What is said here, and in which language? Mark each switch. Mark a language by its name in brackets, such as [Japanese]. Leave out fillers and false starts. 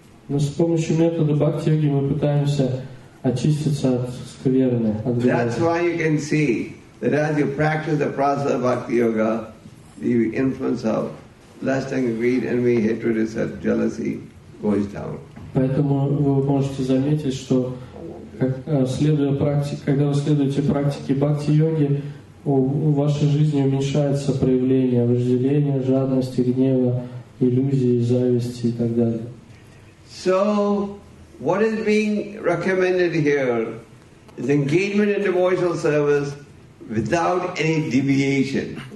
[Russian] Но с помощью метода бхакти-йоги мы пытаемся очиститься от скверны, от грязи. [English] That's why you can see that as you practice the process of bhakti-yoga, the influence of lust and greed, envy, hatred, and jealousy goes down. [Russian] Поэтому вы можете заметить, что следуя практике, когда вы следуете практике бхакти-йоги, у вашей жизни уменьшается проявление вожделения, жадности, гнева, иллюзии, зависти и так далее. [English] So, what is being recommended here is engagement in devotional service without any deviation.